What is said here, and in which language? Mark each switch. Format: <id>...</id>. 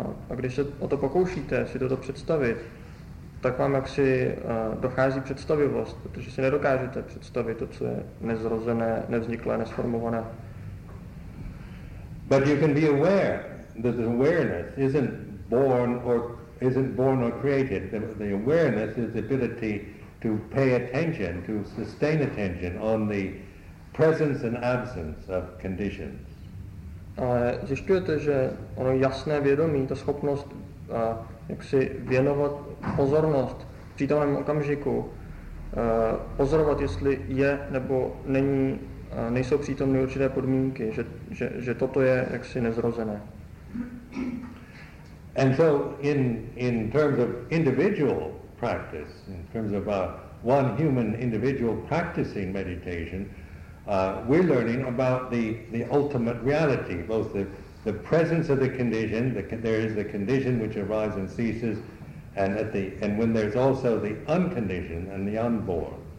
<cs>A když se o to pokoušíte si toto představit, tak vám jaksi dochází představivost, protože si nedokážete představit to, co je nezrozené, nevzniklé, nesformované.</cs> <en>But you can be aware that the awareness isn't born or created. The awareness is the ability to pay attention, to sustain attention on the presence and absence of conditions.</en> <cs>Ale zjišťujete, že ono jasné vědomí, ta schopnost jaksi věnovat pozornost v přítomném okamžiku, pozorovat, jestli je nebo není, nejsou přítomné určité podmínky, že toto je jaksi nezrozené.</cs> <en>And so in terms of individual practice, in terms of one human individual practicing meditation, we're learning about the ultimate reality, both the presence of the condition, there is the condition which arises and ceases, and when there's also the unconditioned and the unborn.</en>